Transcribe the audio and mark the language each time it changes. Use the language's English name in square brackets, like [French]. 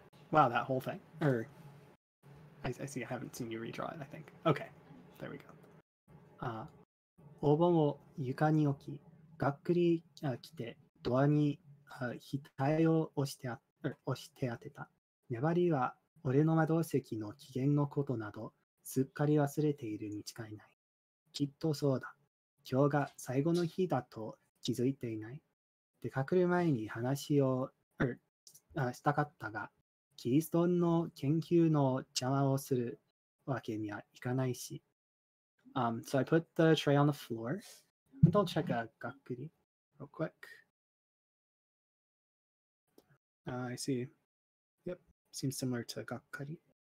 [English] Wow, that whole thing. I see. I haven't seen you redraw it, I think. Okay, there we go. [Japanese] お盆を床に置き、がっくり来て、ドアに額を押して当てた。粘りは俺の窓席の機嫌のことなど、すっかり忘れているに違いない。きっとそうだ。今日が最後の日だと気づいていない。出かける前に話をしたかったが、キーストンの研究の邪魔をするわけにはいかないし。 [English] So I put the tray on the floor. And I'll check a gakuri real quick. I see. Yep, seems similar to gakuri.